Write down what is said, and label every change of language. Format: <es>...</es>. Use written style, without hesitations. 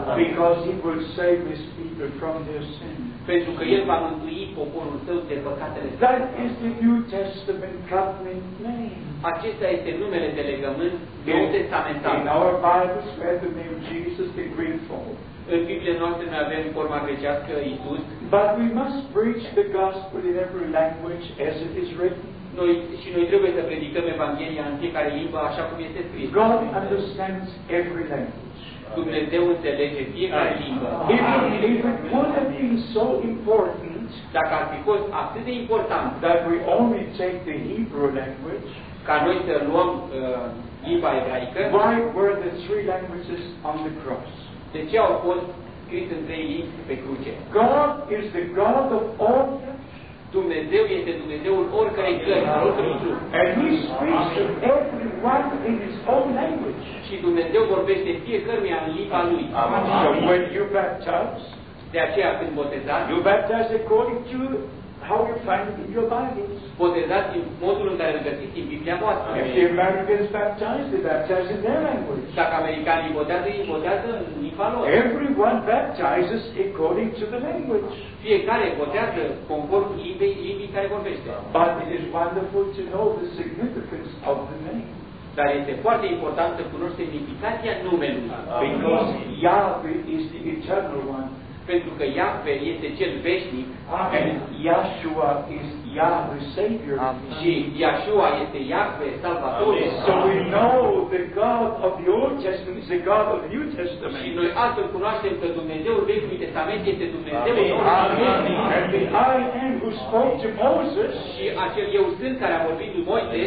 <en>Because he will save his people from their sin.</en> <ro>Pentru că el va mântui poporul său de păcatele.</ro> <en>That is the New Testament covenant name.</en> <ro>Acesta este numele de legământ nou testamental.</ro> <en>In our Bibles we have the name Jesus the Great Father.</en> <ro>În Biblia noastră noi avem forma grecească Iisus.</ro> <en>But we must preach the gospel in every language as it is written.</en> <ro>Noi trebuie să predicăm Evanghelia în fiecare limbă așa cum este scris.</ro> <en>God understands every language.</en> <ro>Dumnezeu înțelege fiecare limbă.</ro> <en>If it would have been so important,</en> <ro>dacă ar fi fost atât de important,</ro> <en>that we only take the Hebrew language,</en> <ro>ca noi să luăm limba ebraică,</ro> <en>why were the three languages on the cross?</en> <ro>De ce au fost scrise în trei limbi pe cruce?</ro> <en>God is the God of all flesh.</en> <ro>Dumnezeu este Dumnezeul oricărei cărți, al oricărui trup.</ro> <en>And he speaks to everyone in his own language.</en> <ro>Și Dumnezeu vorbește fiecăruia în limba lui.</ro> <en>So when you baptize,</en> <ro>de aceea când botezați,</ro> <en>you baptize according to how you find it in your Bibles.</en> <ro>Botezați în modul în care îl găsiți în Biblia voastră.</ro> <en>If the Americans baptize, they baptize in their language.</en> <ro>Dacă americanii botează, ei botează în limba lor.</ro> <en>Everyone baptizes according to the language.</en> <ro>Fiecare botează conform limbii care vorbește.</ro> <en>But it is wonderful to know the significance of the name.</en> <ro>Dar este foarte important să cunoști semnificația numelui.</ro> <en>Because Yahweh is the eternal one.</en> <ro>Pentru că Iahve este cel veșnic.</ro> <en>Amen. Yahshua is Yahweh Savior. Amen.</en> <ro>Și Yahshua este Iahve Salvator.</ro> <en>So we know the God of the Old Testament is the God of the New Testament.</en> <ro>Și noi astfel cunoaștem că Dumnezeul Vechiului Testament este Dumnezeul Noului. Amen.</ro> <en>And the I Am who spoke to Moses.</en> <ro>Și acel Eu Sunt care a vorbit lui Moise.</ro>